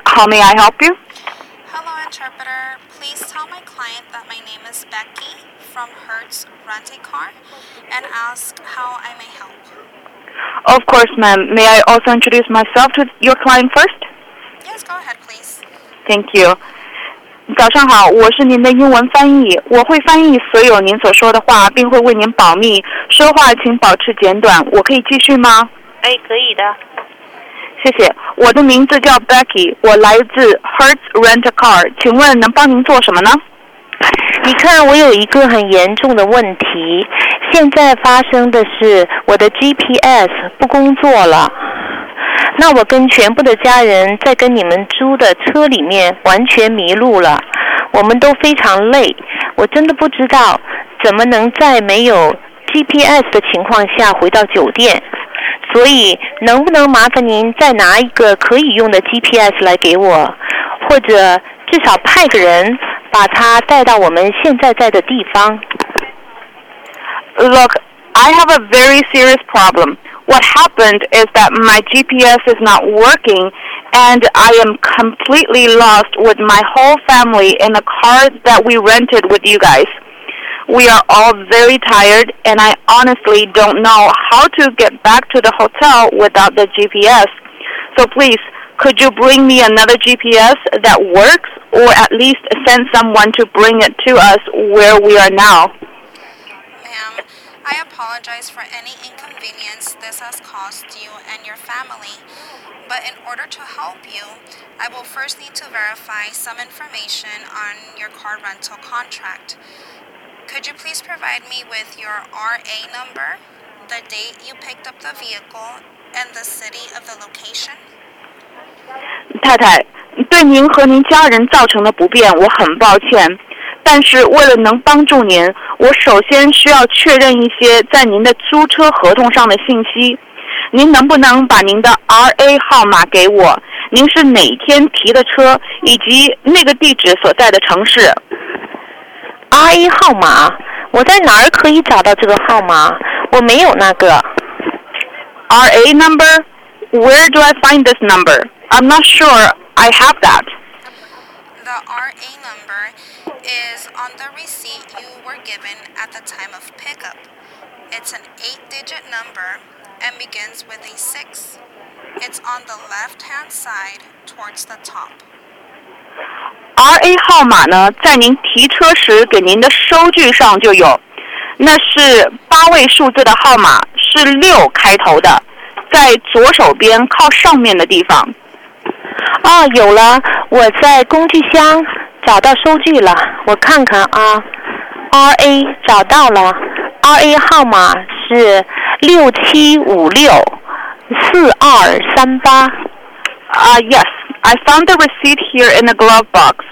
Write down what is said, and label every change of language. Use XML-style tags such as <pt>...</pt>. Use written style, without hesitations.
<en>How may I help you? Hello, interpreter. Please tell my client that my name is Becky from Hertz Rent-A-Car and ask how I may help. Of course, ma'am. May I also introduce myself to your client first? Yes, go ahead, please. Thank you.</en> <zh>早上好，我是您的英文翻译，我会翻译所有您所说的话，并会为您保密。说话请保持简短，我可以继续吗？哎，可以的。谢谢，我的名字叫 Becky， 我来自 Hertz Rent-A-Car， 请问能帮您做什么呢？你看，我有一个很严重的问题，现在发生的是我的 GPS 不工作了。那我跟全部的家人在跟你们租的车里面完全迷路了，我们都非常累，我真的不知道怎么能在没有 GPS 的情况下回到酒店，所以能不能麻烦您再拿一个可以用的 GPS 来给我，或者至少派个人把它带到我们现在在的地方。</zh> <en>Look, I have a very serious problem. What happened is that my GPS is not working and I am completely lost with my whole family in the car that we rented with you guys. We are all very tired and I honestly don't know how to get back to the hotel without the GPS. So please, could you bring me another GPS that works or at least send someone to bring it to us where we are now? I apologize for any inconvenience this has caused you and your family, but in order to help you, I will first need to verify some information on your car rental contract. Could you please provide me with your RA number, the date you picked up the vehicle, and the city of the location?</en> <zh>太太，对您和您家人造成的不便，我很抱歉。但是为了能帮助您，我首先需要确认一些在您的租车合同上的信息。您能不能把您的 RA 号码给我？您是哪天提的车，以及那个地址所在的城市？RA 号码？我在哪儿可以找到这个号码？我没有那个。</zh> <en>RA number? Where do I find this number? I'm not sure I have that. The RA number is on the receipt you were given at the time of pickup. It's an 8-digit number and begins with a 6. It's on the left-hand side towards the top.</en> <zh>RA 号码呢，在您提车时给您的收据上就有。那是八位数字的号码，是6开头的，在左手边靠上面的地方。哦，有了，我在工具箱找到收据了，我看看啊 ，RA 找到了 ，RA 号码是6756-4238。</zh> <en>Yes, I found the receipt here in the glove box.</en>